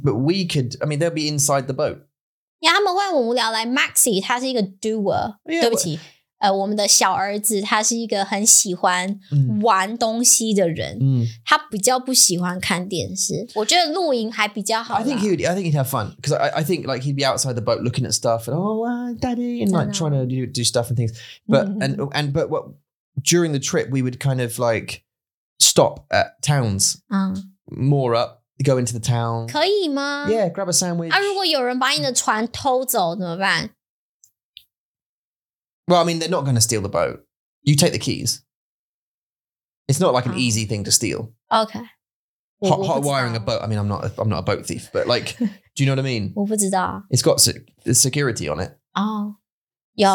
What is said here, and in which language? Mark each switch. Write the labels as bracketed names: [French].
[English] But we could, I mean, they'll be inside the boat. [Chinese] Yeah, 他们会很无聊, [English] like Maxie, [Chinese] 他是一个 doer, yeah, 对不起, but... 我们的小儿子, 他是一个很喜欢玩东西的人, 他比较不喜欢看电视, 我觉得露营还比较好啦。 [English] I think he'd have fun, because I think like he'd be outside the boat looking at stuff, and oh, daddy, and like trying to do stuff and things, but, but what, during the trip, we would kind of like stop at towns, more up, go into the town. [Chinese] 可以吗? [English] Yeah, grab a sandwich. [Chinese] 啊,如果有人把你的船偷走,怎么办? [English] Well, I mean, they're not going to steal the boat. You take the keys. It's not like an easy thing to steal. Okay. Hot wiring a boat. I mean, I'm not a boat thief, but like, do you know what I mean? [Chinese] 我不知道。 [English] It's got security on it. Oh, yeah.